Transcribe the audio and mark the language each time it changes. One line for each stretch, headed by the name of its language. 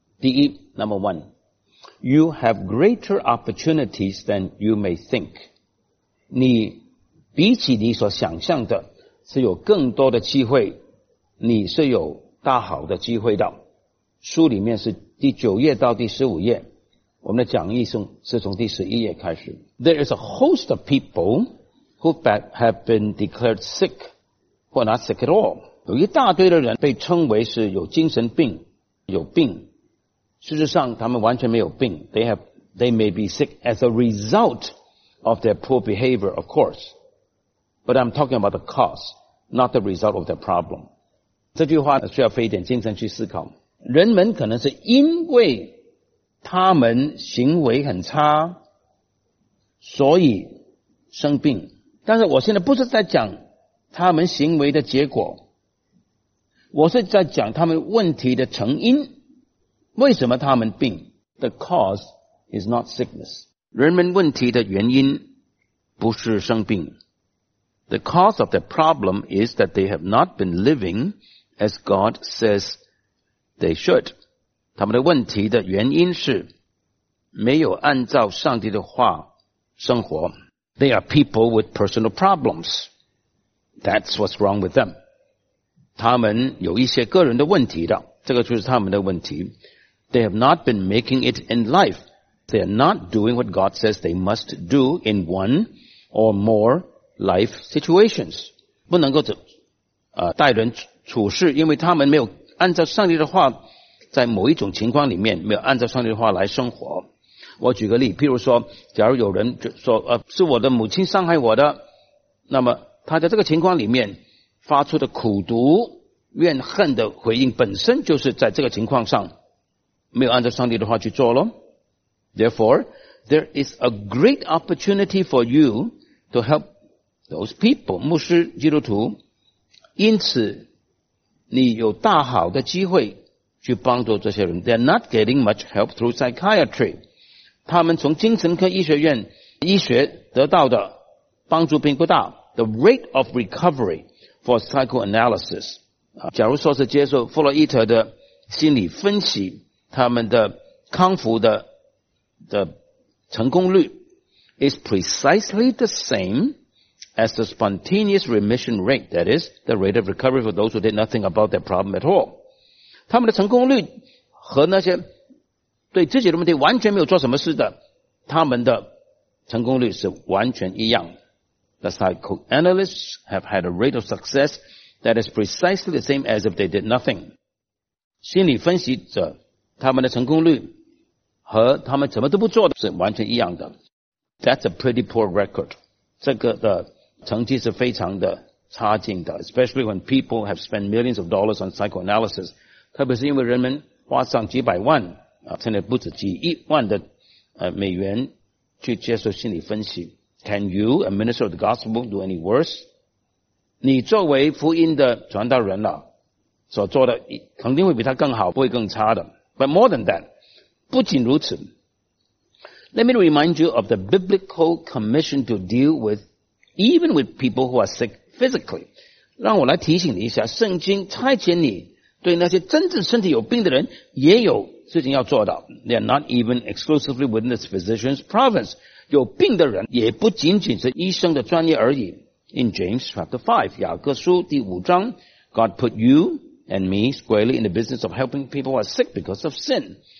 Chinese: 第一
English: ，Number One，You have greater opportunities than you may think.
Chinese: 你比起你所想象的是有更多的机会，你是有大好的机会的。书里面是第九页到第十五页，我们的讲义是从第十一页开始。
English: There is a host of people who have been declared sick or not sick at all.
Chinese: 有一大堆的人被称为是有精神病，有病，事实上他们完全没有病。
English: they may be sick as a result of their poor behavior, of course. But I'm talking about the cause, not the result of their problem.
Chinese: 这句话需要费一点精神去思考。人们可能是因为他们行为很差，所以生病。但是我现在不是在讲他们行为的结果，我是在讲他们问题的成因。为什么他们病？
English: The cause is not sickness.
Chinese: 人们问题的原因不是生病。
English: The cause of the problem is that they have not been living as God says they should.
Chinese: 他们的问题的原因是没有按照上帝的话生活。
English: They are people with personal problems. That's what's wrong with them.
Chinese: 他们有一些个人的问题的，这个就是他们的问题。
English: They have not been making it in life. They are not doing what God says they must do in one or more life situations.
Chinese: 不能够待人处事，因为他们没有按照上帝的话，在某一种情况里面，没有按照上帝的话来生活。我举个例，譬如说，假如有人说，是我的母亲伤害我的，那么他在这个情况里面发出的苦毒、怨恨的回应，本身就是在这个情况上没有按照上帝的话去做咯。
English: Therefore, there is a great opportunity for you to help those people,
Chinese: 牧师、基督徒，因此你有大好的机会去帮助这些人。
English: They are not getting much help through psychiatry.
Chinese: 他们从精神科医学院医学得到的帮助并不大。
English: The rate of recovery for psychoanalysis,
Chinese: 假如说是接受弗洛伊德的心理分析，他们的康复 的成功率
English: is precisely the same as the spontaneous remission rate, that is, the rate of recovery for those who did nothing about their problem at all.
Chinese: 他们的成功率和那些对自己的问题完全没有做什么事的，他们的成功率是完全一样。
English: The psychoanalysts have had a rate of success that is precisely the same as if they did nothing.
Chinese: 心理分析者他们的成功率和他们什么都不做的是完全一样的。
English: That's a pretty poor record.
Chinese: 这个的成绩是非常的差劲的。
English: Especially when people have spent millions of dollars on psychoanalysis.
Chinese: 特别是因为人们花上几百万，现在不止几亿万的美元去接受心理分析。
English: Can you, a minister of the gospel, do any worse?
Chinese: 你作为福音的传道人了，所做的肯定会比他更好，不会更差的。
English: But more than that,
Chinese: 不仅如此，
English: Let me remind you of the biblical commission to deal with even with people who are sick physically.
Chinese: 让我来提醒你一下，圣经差遣你对那些真正身体有病的人也有事情要做到。
English: They are not even exclusively within this physician's province.
Chinese: 有病的人也不仅仅是医生的专业而已。
English: In James chapter 5,
Chinese: 雅各书第五章，
English: God put youand me squarely in the business of helping people who are sick because of sin.